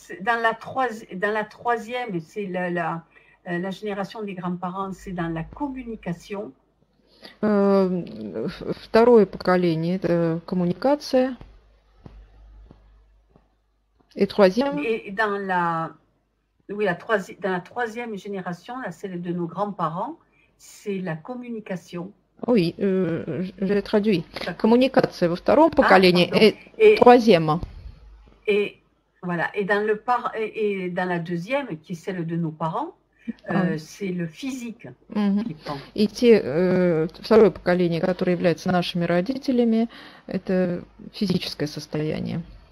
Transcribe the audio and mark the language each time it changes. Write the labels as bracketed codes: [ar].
[fr] Dans la troisième, c'est la génération des grands-parents, c'est dans la communication. [ru] Второе поколение – это коммуникация. [fr] Et troisième? Dans la troisième génération, la celle de nos grands-parents, c'est la communication. Oui, je l'ai traduit. Communication, au deuxième [ru] поколение, [fr] et troisième. Et voilà, et dans la deuxième, qui est celle de nos parents, c'est le physique qui prend. [ru] Et второе поколение, которое является нашими родителями, это физическое состояние.